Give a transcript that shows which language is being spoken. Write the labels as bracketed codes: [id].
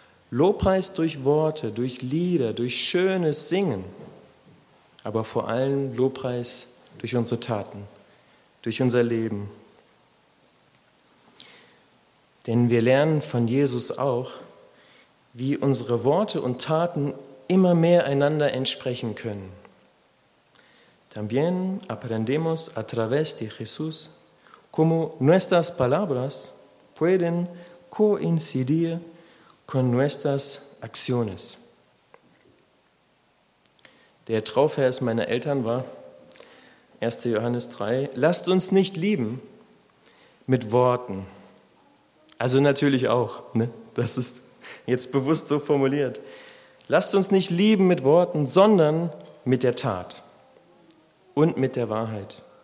[de] Lobpreis durch Worte, durch Lieder, durch schönes Singen, aber vor allem Lobpreis durch unsere Taten, durch unser Leben. Denn wir lernen von Jesus auch, wie unsere Worte und Taten immer mehr einander entsprechen können. [es] También aprendemos a través de Jesús cómo nuestras palabras pueden coincidir con nuestras acciones. [de] Der Traufvers meiner Eltern war 1. Johannes 3, lasst uns nicht lieben mit Worten. Also natürlich auch, ne? Das ist jetzt bewusst so formuliert. Lasst uns nicht lieben mit Worten, sondern mit der Tat und mit der Wahrheit.